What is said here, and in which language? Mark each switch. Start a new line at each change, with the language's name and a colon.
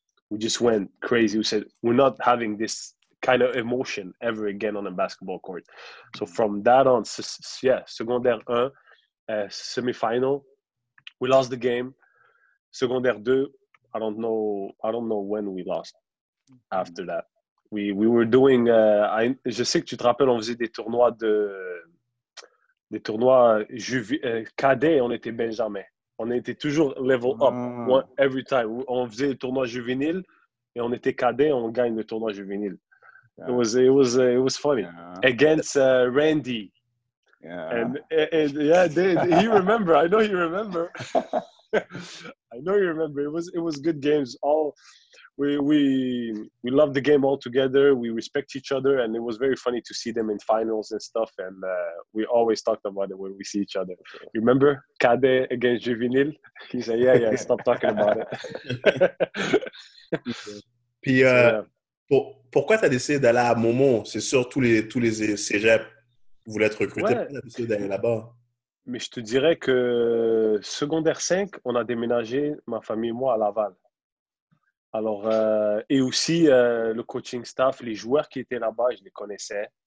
English: We just went crazy. We said, we're not having this kind of emotion ever again on a basketball court. So from that on, secondaire 1, semi-final, we lost the game. Secondaire 2, I don't know when we lost after that. We were doing.
French: Je sais que tu te rappelles, on faisait des tournois cadets. On était Benjamin. On était toujours
English: level up every time.
French: On faisait des tournois juvéniles et on était cadets. On gagne le tournoi juvénile.
English: Yeah. It was funny. Yeah. Against Randy. Yeah. And he remember. I know he remember. I know you remember. It was good games. All we love the game all together. We respect each other, and it was very funny to see them in finals and stuff. And we always talked about it when we see each other. Remember Cade against Juvenil? He said, "Yeah, yeah, stop talking about it."
French: Puis, pourquoi t'as décidé d'aller à Momo? C'est sûr, tous les cégeps voulaient être recrutés. Ouais. Pourquoi t'as décidé d'aller là-bas? Mais je te dirais que secondaire 5, on a déménagé, ma famille et moi, à Laval. Alors, et aussi, le coaching staff, les joueurs qui étaient là-bas, je les connaissais.